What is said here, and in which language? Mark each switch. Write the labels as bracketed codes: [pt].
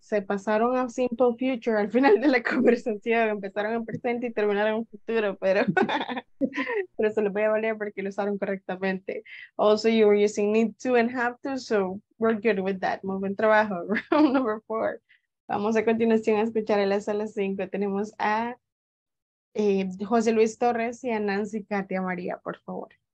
[es] Se pasaron a simple future al final de la conversación. Empezaron en presente y terminaron en futuro, pero se los voy a valer porque lo usaron correctamente. [en] Also, you were using need to and have to, so we're good with that. [es] Muy buen trabajo. [en] Round number four. [es] Vamos a continuación a escuchar a la sala 5. Tenemos a José Luis Torres y a Nancy Katia María, por favor.